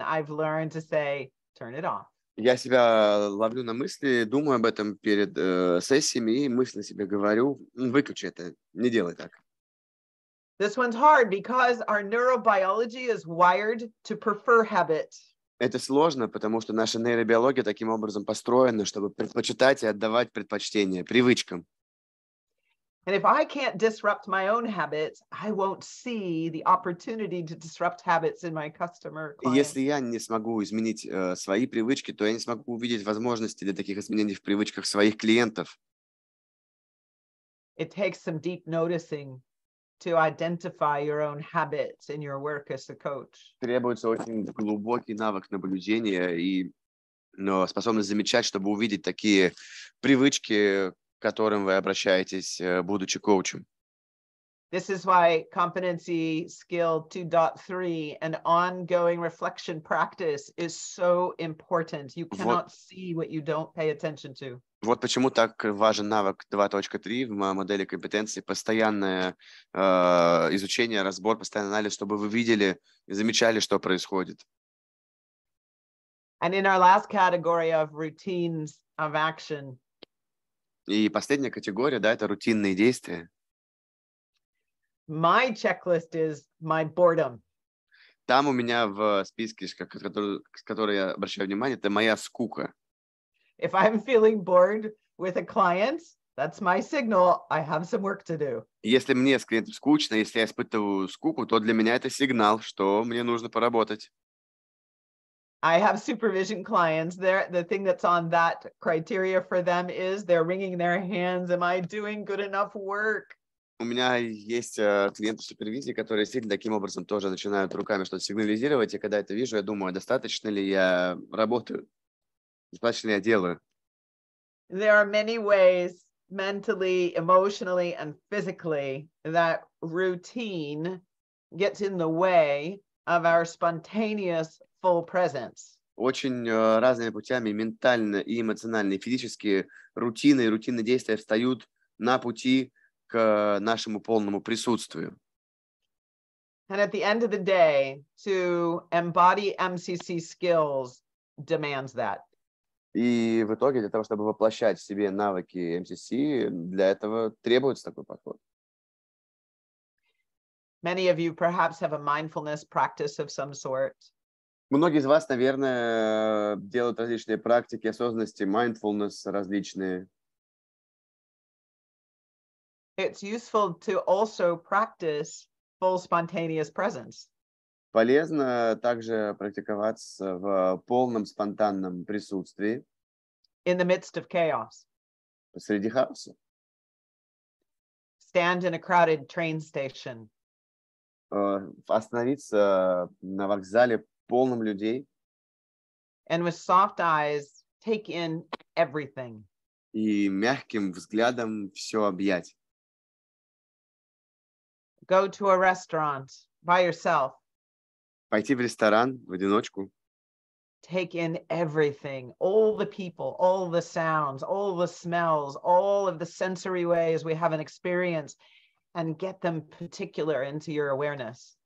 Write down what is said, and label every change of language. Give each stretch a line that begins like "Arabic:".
English: I've learned to say, turn it off.
Russian: Я себя ловлю на мысли, думаю об этом перед сессиями и мысленно себе говорю, выключи это, не делай так.
English: This one's hard because our neurobiology is wired to prefer habit.
Russian: Это сложно, потому что наша нейробиология таким образом построена, чтобы предпочитать и отдавать предпочтение привычкам.
English: And if I can't disrupt my own habits, I won't see the opportunity to disrupt habits in my customer clients.
Russian: Если я не смогу изменить свои привычки, то я не смогу увидеть возможности для таких изменений в привычках своих клиентов.
English: It takes some deep noticing to identify your own habits in your work as a coach.
Russian: Требуется очень глубокий навык наблюдения и способность замечать, чтобы увидеть такие привычки, к которым вы обращаетесь, будучи коучем.
English: This is why competency skill 2.3 and ongoing reflection practice is so important. You cannot see what you don't pay attention to.
Russian: Вот почему так важен навык 2.3 в модели компетенции. Постоянное изучение, разбор, постоянный анализ, чтобы вы видели и замечали, что происходит.
English: And in our last category of routines of action,
Russian: и последняя категория, да, это рутинные действия.
English: My checklist is my boredom.
Russian: Там у меня в списке, с которой я обращаю внимание, это моя скука.
English: If I'm feeling bored with a client, that's my signal I have some work to do.
Russian: Если мне с клиентом скучно, если я испытываю скуку, то для меня это сигнал, что мне нужно поработать.
English: I have supervision clients. The thing that's on that criteria for them is they're wringing their hands. Am I doing good enough work?
Russian: У меня есть клиенты супервизии, которые действительно таким образом тоже начинают руками что-то сигнализировать. И когда это вижу, я думаю, достаточно ли я работаю? Достаточно ли я делаю?
English: There are many ways mentally, emotionally, and physically that routine gets in the way of our spontaneous full presence.
Russian: Очень разными путями, ментально и эмоционально, и физически, рутины и рутинные действия встают на пути к нашему полному присутствию.
English: And at the end of the day, to embody MCC skills demands that.
Russian: И в итоге, для того, чтобы воплощать в себе навыки MCC, для этого требуется такой подход.
English: Many of you perhaps have a mindfulness practice of some sort.
Russian: Многие из вас, наверное, делают различные практики осознанности, mindfulness различные.
English: It's useful to also practice full spontaneous presence.
Russian: Полезно также практиковаться в полном спонтанном присутствии.
English: In the midst of chaos.
Russian: Посреди хаоса.
English: Stand in a crowded train station.
Russian: Остановиться на вокзале полном людей.
English: And with soft eyes, take in everything.
Russian: И мягким взглядом все объять.
English: Go to a restaurant by yourself.
Russian: Пойти в ресторан в одиночку.
English: Take in everything, all the people, all the sounds, all the smells, all of the sensory ways we have an experience, and get them particular into your awareness.